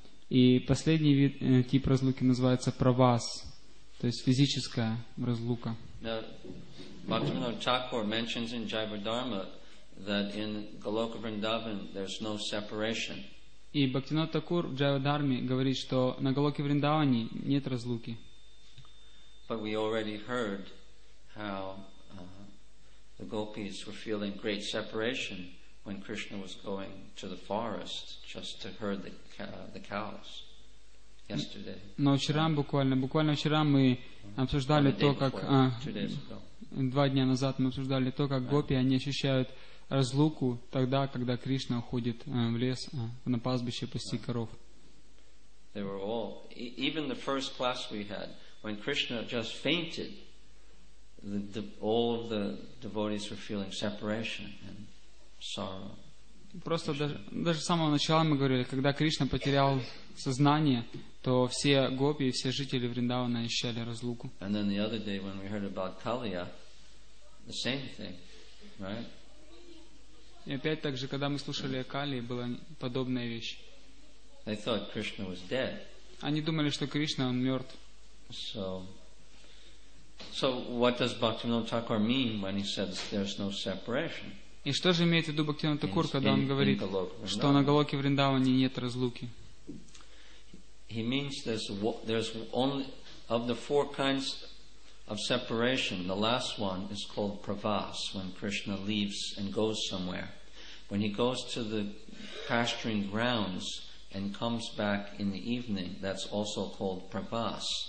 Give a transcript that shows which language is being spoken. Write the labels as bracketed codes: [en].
[ru] И последний вид, тип разлуки называется pravas, то есть физическая разлука. [en] Now, Bhaktivinoda Thakur mentions in Jiva Dharma that in Goloka Vrindavan there's no separation. [ru] И Бхактинот Такур в Джайва Дхарме говорит, что на Голоке Вриндаване нет разлуки. [en] But we already heard how the gopis were feeling great separation when Krishna was going to the forest just to herd the cows yesterday. [ru] Но вчера буквально вчера мы обсуждали то, как два дня назад мы обсуждали то, как гопи они ощущают разлуку тогда, когда Кришна уходит в лес, на пастбище пасти коров. [en] They were all, even the first class we had, when Krishna just fainted, all of the devotees were feeling separation and sorrow. [ru] Просто даже с самого начала мы говорили, когда Кришна потерял сознание, то все гопи, все жители Вриндавана ощущали разлуку. [en] And then the other day when we heard about Kaliya, the same thing, right? [ru] И опять также, когда мы слушали о Кали, была подобная вещь. [en] They thought Krishna was dead. [ru] Они думали, что Кришна, он мертв. [en] So what does Bhaktivinoda Thakur mean when he says there's no separation? [ru] И что же имеет в виду Бхактивинода Такур, когда он говорит, что на Голоке Вриндаване нет разлуки? [en] He means there's only of the four kinds of separation, the last one is called pravas, when Krishna leaves and goes somewhere. When he goes to the pasturing grounds and comes back in the evening, that's also called pravas.